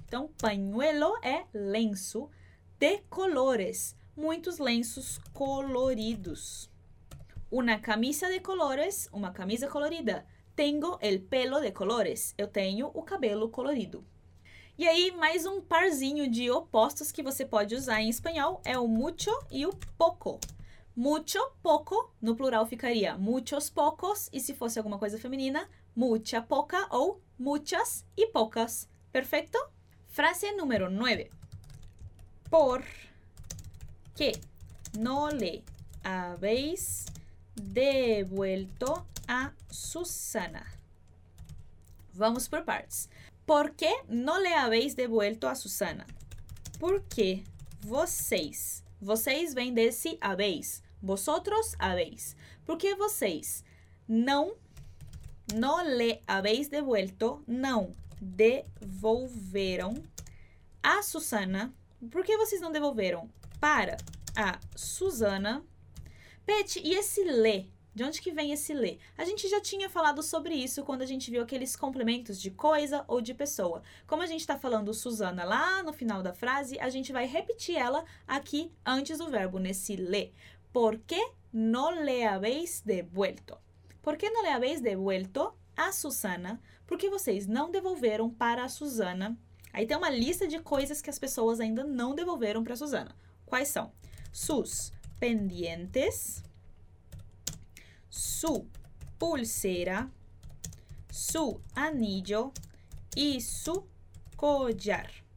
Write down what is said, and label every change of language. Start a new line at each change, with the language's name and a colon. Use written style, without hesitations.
Portuguese: Então, pañuelo é lenço de colores, muitos lenços coloridos.
Spanish: Una camisa de colores,
Portuguese: uma camisa colorida.
Spanish: Tengo el pelo de colores,
Portuguese: eu tenho o cabelo colorido. E aí, mais um parzinho de opostos que você pode usar em espanhol é o mucho e o poco.
Spanish: mucho, poco,
Portuguese: no plural ficaria
Spanish: muchos, pocos, y si fuese alguna cosa femenina, mucha, poca o muchas y pocas. ¿Perfecto?
Portuguese: Frase número 9.
Spanish: ¿Por qué no le habéis devuelto a Susana? Vamos por partes. ¿Por qué no le habéis devuelto a Susana? ¿Por qué vocês?
Portuguese: Vocês vem de si habéis. Vosotros habéis.
Spanish: ¿Por qué vocês no le habéis devuelto, no devolveron a Susana? ¿Por qué vocês no devolveron para a Susana?
Portuguese: Pet,
Spanish: ¿y ese le?
Portuguese: De onde que vem esse le? A gente já tinha falado sobre isso quando a gente viu aqueles complementos de coisa ou de pessoa. Como a gente está falando Susana lá no final da frase, a gente vai repetir ela aqui antes do verbo, nesse le.
Spanish: Por que no le habéis devuelto? Por que no le habéis devuelto a Susana?
Portuguese: Porque vocês não devolveram para a Susana. Aí tem uma lista de coisas que as pessoas ainda não devolveram para a Susana. Quais são?
Spanish: Sus pendientes, su pulsera, su anillo y su collar.